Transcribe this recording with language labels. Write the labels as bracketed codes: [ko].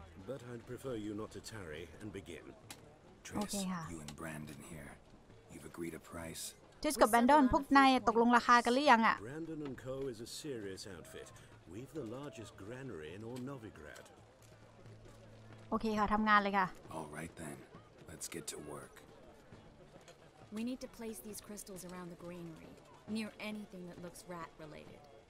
[en] But I'd prefer you not to tarry and begin. Triss, you and Brandon here. You've agreed a price. [th] Triss กับ Brandon พวกนายตกลงราคากันหรือยังอ่ะ [en] Brandon and Co is a serious outfit. We've the largest granary in all Novigrad. [th] โอเคค่ะทำงานเลยค่ะ [en] All right then. Let's get to work. We need to place these crystals around the granary near anything that looks rat related.